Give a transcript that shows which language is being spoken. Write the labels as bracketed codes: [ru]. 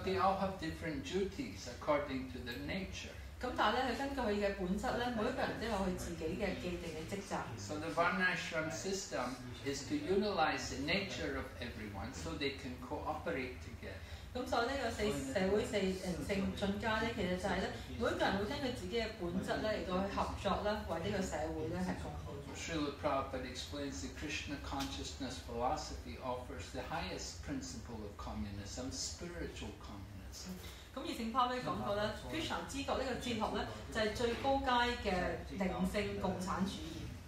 [en] they all have different duties according to their nature. [yue] 咁但係咧，佢根據佢嘅本質咧，每一個人都有佢自己嘅既定嘅職責。 [en] So the Varnashram system is to utilize the nature of everyone so they can cooperate together. [yue] 咁所以呢個社會性進階咧，其實就係咧，每個人會根據自己嘅本質咧嚟到去合作咧，為呢個社會咧係貢獻。 [en] Srila Prabhupada explains the Krishna consciousness philosophy offers the highest principle of communism, spiritual communism. [yue] 咁而聖卡咧講過咧 ，Krishna 知覺呢個哲學咧，就係最高階嘅靈性共產主義。